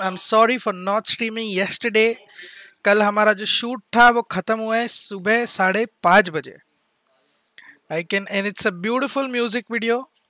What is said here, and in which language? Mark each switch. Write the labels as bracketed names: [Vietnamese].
[English] I'm sorry for not streaming yesterday. [Hindi] कल हमारा जो शूट था वो खत्म हुआ है सुबह 5:30 बजे. [English] I can and it's a beautiful music video.